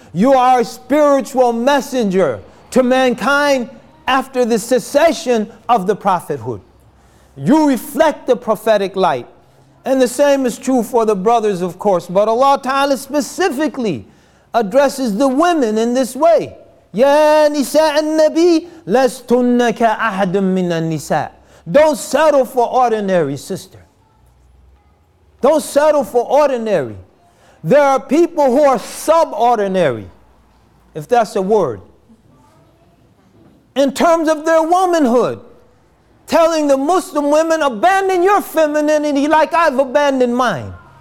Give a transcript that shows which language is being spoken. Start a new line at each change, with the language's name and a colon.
English: You are a spiritual messenger to mankind after the cessation of the prophethood. You reflect the prophetic light. And the same is true for the brothers, of course. But Allah Ta'ala specifically addresses the women in this way.
Arabic: يا نساء النبي لستن كأحد من النساء.
English: Don't settle for ordinary, sister. Don't settle for ordinary. There are people who are subordinary, if that's a word, in terms of their womanhood, telling the Muslim women, abandon your femininity like I've abandoned mine.